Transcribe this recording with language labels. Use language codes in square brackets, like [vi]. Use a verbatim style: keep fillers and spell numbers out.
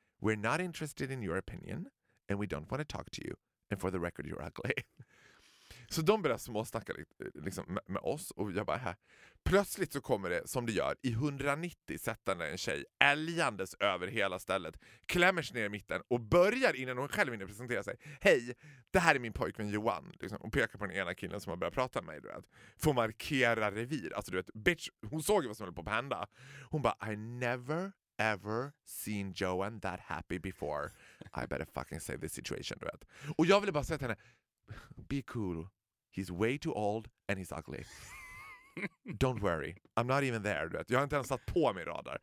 [en] We're not interested in your opinion and we don't want to talk to you. And for the record, you're ugly. [sv] Så de började småsnacka liksom, med, med oss och jag bara här. Plötsligt så kommer det, som det gör, i hundranittio sättande en tjej älgandes över hela stället, klämmer sig ner i mitten och börjar innan hon själv hinner presentera sig. Hej, det här är min pojkvän Johan. Liksom, och pekar på den ena killen som har börjat prata med mig. Du vet, får markera revir. Alltså du vet, bitch, hon såg ju vad som höll på att hända. Hon bara, [en] I never ever seen Johan that happy before. I better fucking save this situation, [sv] du vet. Och jag ville bara säga till henne, [en] be cool. He's way too old and he's ugly. Don't worry, I'm not even there, [sv] du vet. Jag har inte ens satt på mig radar.